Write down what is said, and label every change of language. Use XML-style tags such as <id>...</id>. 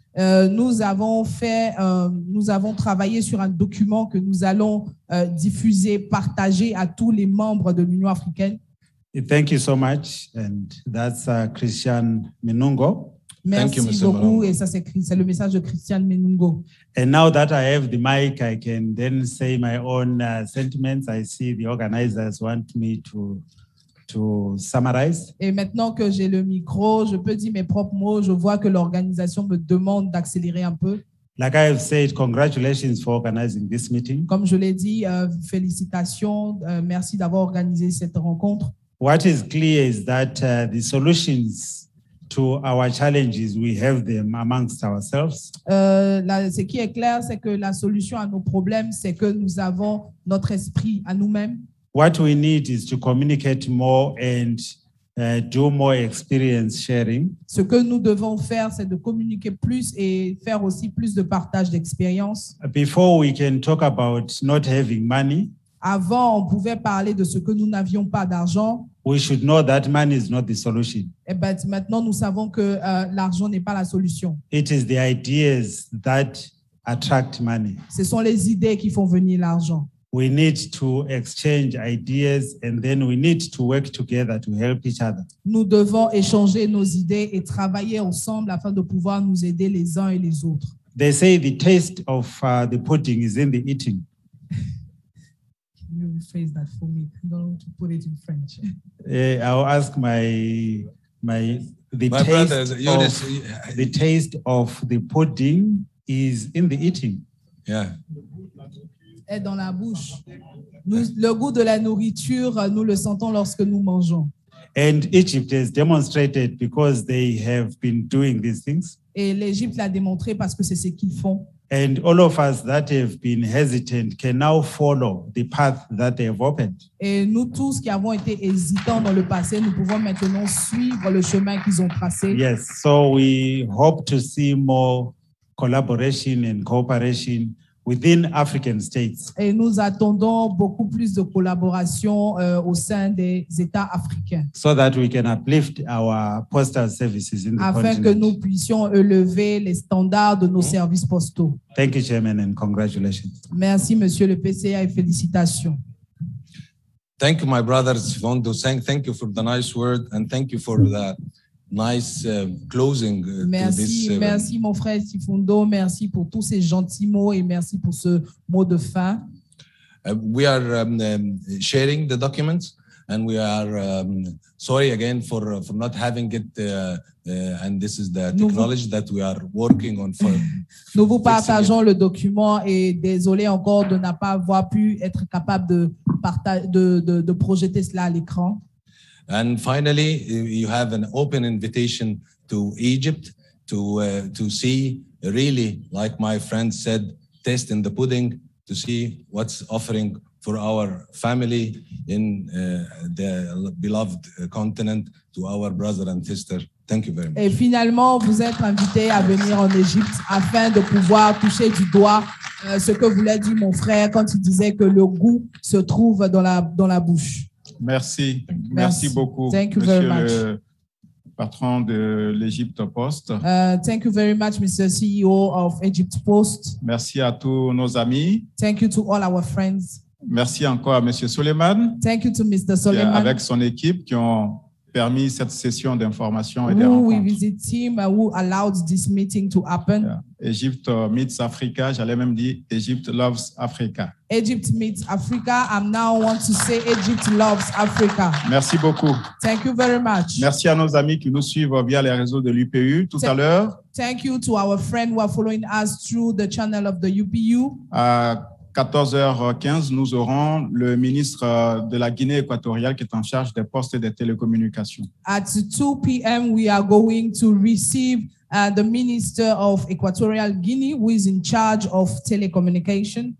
<fr>Nous avons travaillé sur un document que nous allons diffuser, partager à tous les membres de l'Union africaine.</fr> <en>Thank you so much, and that's Christian Minungo.</en> <fr>Merci beaucoup, et ça c'est le message de Christian Minungo.</fr> <en>And now that I have the mic, I can then say my own sentiments. I see the organizers want me to summarize.</en> <fr>Et maintenant que j'ai le micro, je peux dire mes propres mots. Je vois que l'organisation me demande d'accélérer un peu.</fr> <en>Like I have said, congratulations for organizing this meeting.</en> <fr>Comme je l'ai dit, félicitations, merci d'avoir organisé cette rencontre.</fr> <en>What is clear is that the solutions to our challenges, we have them amongst ourselves.</en> <fr>Ce qui est clair, c'est que la solution à nos problèmes, c'est que nous avons notre esprit à nous-mêmes.</fr> <en>What we need is to communicate more and do more experience sharing.</en> <fr>Ce que nous devons faire, c'est de communiquer plus et faire aussi plus de partage d'expérience.</fr> <en>Before we can talk about not having money,</en> <fr>avant on pouvait parler de ce que nous n'avions pas d'argent.</fr> <en>We should know that money is not the solution.</en> <fr>Et ben maintenant nous savons que l'argent n'est pas la solution.</fr> <en>It is the ideas that attract money.</en> <fr>Ce sont les idées qui font venir l'argent.</fr> <en>We need to exchange ideas and then we need to work together to help each other.</en> <fr>Nous devons échanger nos idées et travailler ensemble afin de pouvoir nous aider les uns et les autres.</fr> <en>They say the taste of the pudding is in the eating. Can you rephrase that for me? I don't want to put it in French. I'll ask the taste of the pudding is in the eating. Yeah.</en> <fr>Est dans la bouche. Nous, le goût de la nourriture, nous le sentons lorsque nous mangeons.</fr> <en>And Egypt has demonstrated because they have been doing these things.</en> <fr>Et l'Égypte l'a démontré parce que c'est ce qu'ils font.</fr> <en>And all of us that have been hesitant can now follow the path that they have opened.</en> <fr>Et nous tous qui avons été hésitants dans le passé, nous pouvons maintenant suivre le chemin qu'ils ont tracé.</fr> <en>Yes, so we hope to see more collaboration and cooperation within African states.</en> <fr>Et nous attendons beaucoup plus de collaboration au sein des États africains.</fr> <en>So that we can uplift our postal services in the continent.</en> <fr>Afin que nous puissions élever les standards de nos services postaux.</fr> <en>Thank you, Chairman, and congratulations.</en> <fr>Merci, Monsieur le PCA, et félicitations.</fr> <en>Thank you, my brother Sivon Dosang. Thank you for the nice word and thank you for the nice closing.</en> <fr>Merci mon frère Sifundo, merci pour tous ces gentils mots et merci pour ce mot de fin.</fr> <en>We are sharing the documents and we are sorry again for not having it and this is the technology that we are working on for.</en> <fr>Nous vous partageons le document et désolé encore de n'avoir pu être capable de projeter cela à l'écran.</fr> <en>And finally, you have an open invitation to Egypt to see really, like my friend said, taste in the pudding, to see what's offering for our family in the beloved continent, to our brother and sister. Thank you very much.</en> <fr>Et finalement, vous êtes invité à venir en Égypte afin de pouvoir toucher du doigt ce que voulait dire mon frère quand il disait que le goût se trouve dans la bouche. Merci. Merci beaucoup.</fr> <en>Thank you very much.</en> <fr>Patron de l'Egypte Post.</fr> <en>Thank you very much, Mr. CEO of Egypt Post.</en> <fr>Merci à tous nos amis.</fr> <en>Thank you to all our friends.</en> <fr>Merci encore à Monsieur Suleiman.</fr> <en>Thank you to Mr. Suleiman.</en> <fr>Et avec son équipe qui ont permis cette session d'information et de rencontre.</fr> <en>Who visit team who allowed this meeting to happen? Yeah. Egypt meets Africa.</en> <fr>J'allais même dire</fr> <en>Egypt loves Africa. Egypt meets Africa. I'm now want to say Egypt loves Africa.</en> <fr>Merci beaucoup.</fr> <en>Thank you very much.</en> <fr>Merci à nos amis qui nous suivent via les réseaux de l'UPU tout à l'heure.</fr> <en>Thank you to our friends who are following us through the channel of the UPU.</en> <fr>14h15, nous aurons le ministre de la Guinée équatoriale qui est en charge des postes et des télécommunications.</fr> <en>At 2 p.m., we are going to receive the minister of Equatorial Guinea who is in charge of telecommunication.</en>